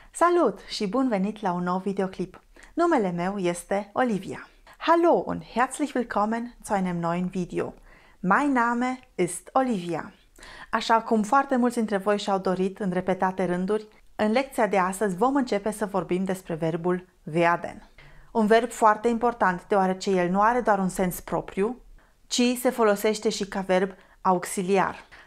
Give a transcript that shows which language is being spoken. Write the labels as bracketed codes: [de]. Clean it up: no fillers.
[ro] Salut și bun venit la un nou videoclip. Numele meu este Olivia. [de] Hallo und herzlich willkommen zu einem neuen Video. Mein Name ist Olivia. [ro] Așa cum foarte mulți dintre voi și-au dorit în repetate rânduri, în lecția de astăzi vom începe să vorbim despre verbul werden. Un verb foarte important, deoarece el nu are doar un sens propriu, ci se folosește și ca verb auxiliar.